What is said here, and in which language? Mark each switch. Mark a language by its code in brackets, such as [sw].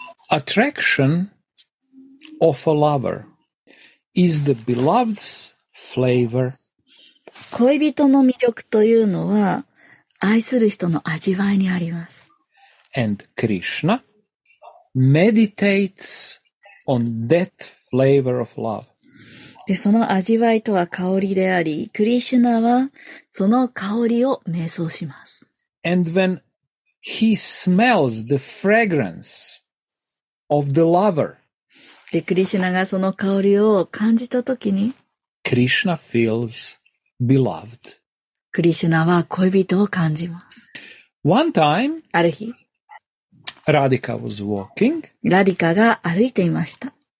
[en] attraction of a lover is the beloved's flavor. [ja] 恋人の魅力というのは愛する人の味わいにあります。 [en] And Krishna meditates on that flavor of love. [ja] で、その味わいとは香りであり、クリシュナはその香りを瞑想します。 [en] And when he smells the fragrance of the lover, [ja] で、クリシュナがその香りを感じたときに、 [en] Krishna feels beloved. [ja] クリシュナは恋人を感じます。 [en] One time, [ja] ある日、 [en] Radhika was walking. [ja] Radhika が歩いていました。